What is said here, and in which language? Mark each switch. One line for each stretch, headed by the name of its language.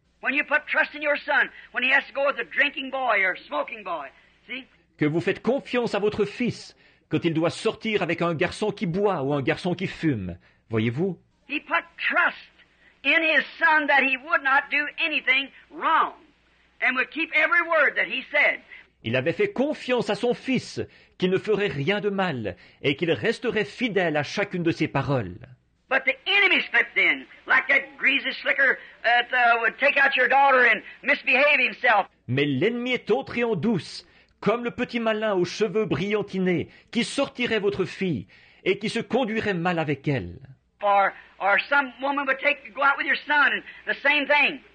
English: When you put trust in your son, when he has to go with a drinking boy or a smoking boy, see?
French: Que vous faites confiance à votre fils quand il doit sortir avec un garçon qui boit ou un garçon qui fume, voyez-vous?
English: He put trust in his son that he would not do anything wrong. And would keep every word that he said.
French: Il avait fait confiance à son fils qu'il ne ferait rien de mal et qu'il resterait fidèle à chacune de ses paroles.
English: But the enemy slipped in, like that greasy slicker that would take out your daughter and misbehave himself.
French: Mais l'ennemi est entré en douce, comme le petit malin aux cheveux brillantinés qui sortirait votre fille et qui se conduirait mal avec elle.
English: Or some woman would take go out with your son and the same thing.